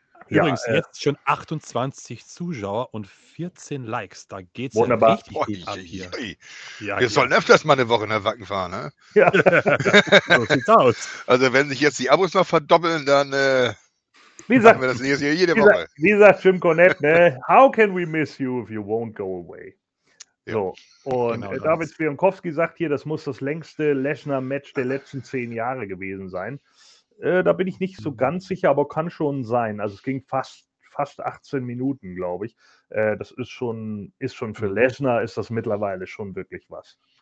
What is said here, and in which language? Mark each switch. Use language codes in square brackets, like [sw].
[de] Übrigens, jetzt schon 28 Zuschauer und 14 Likes. Da geht's wunderbar. Ja richtig viel ab hier. Ja, wir sollen öfters mal eine Woche nach Wacken fahren, ne? Ja. So sieht's aus. Also, wenn sich jetzt die Abos noch verdoppeln, dann. Wie sagt, wir das nächste Jahr jede Woche. Wie sagt Jim Cornette, ne? [en] How can we miss you if you won't go away? [de] Ja, so, und genau David Spionkowski sagt hier, das muss das längste Lesnar-Match der letzten 10 Jahre gewesen sein. Da bin ich nicht so ganz sicher, aber kann schon sein. Also es ging fast 18 Minuten, glaube ich. Das ist schon für Lesnar ist das mittlerweile schon wirklich was.